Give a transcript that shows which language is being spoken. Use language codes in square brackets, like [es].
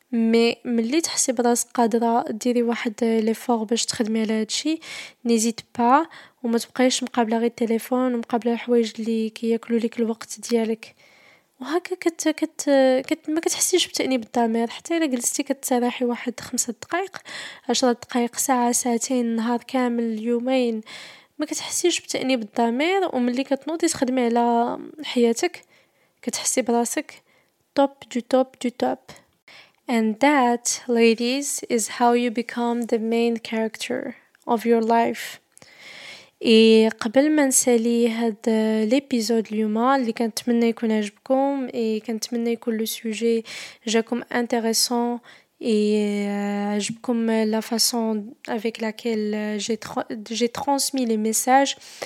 [ar] مي ملي تحسي براسك قادرة ديري واحد ليفور باش تخدمي على هادشي نيزيت با، وما تبقايش مقابلة غير التليفون ومقابلة الحوايج اللي كياكلوا لك الوقت ديالك، وهكا كت كت كت ما كتحسيش بتأنيب الضمير. حتى الا جلستي كتسرحي واحد 5 دقائق 10 دقائق ساعة ساعتين نهار كامل يومين ما كتحسيش بتأنيب الضمير، وملي كتنوضي تخدمي على حياتك كتحسي براسك توب دو توب دو توب. [en] And that, ladies, is how you become the main character of your life. [ar] اي قبل ما نسالي هاد ليبيزود اليوم اللي كنتمنى يكون عجبكم اي كنتمنى يكون لو سوجي جاكم انتريسون اي عجبكم لا فاصون افيك لاكيل جي ترانسمي لي ميساج.